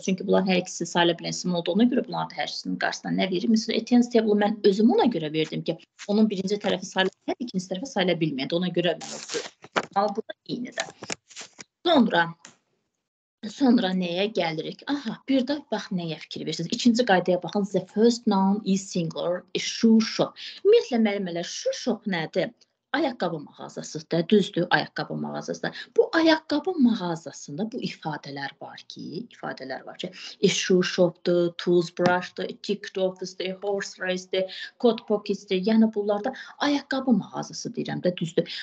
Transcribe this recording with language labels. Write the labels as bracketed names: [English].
[Azerbaijani] Çünki bunların hər ikisi sayılı bilənsin olduğuna görə, bunlar da hər ikisinin qarşısına nə verir? Məsələn, tennis table-ı mən özüm ona görə verdim ki, onun birinci tərəfi sayılı bilməyəndə, ikinci tərəfi sayılı bilməyəndə. Ona görə mən özüm. Amma bu da eynidə. Sonra nəyə gəlirik? Aha, bir də bax nəyə fikir verirsiniz. İkinci qaydaya baxın. [English] The first noun is singular, is shoe shop. [Azerbaijani] Ümumiyyətlə, müəllimələr, shoe shop nədir? Ayaqqabı mağazasıdır, düzdür, ayaqqabı mağazasıdır. Bu ayaqqabı mağazasında bu ifadələr var ki, shoe shop-dur, toothbrush-dur, ticket office-dir, horse race-dir, coat pocket-dir, yəni bunlarda ayaqqabı mağazası deyirəm də, düzdür.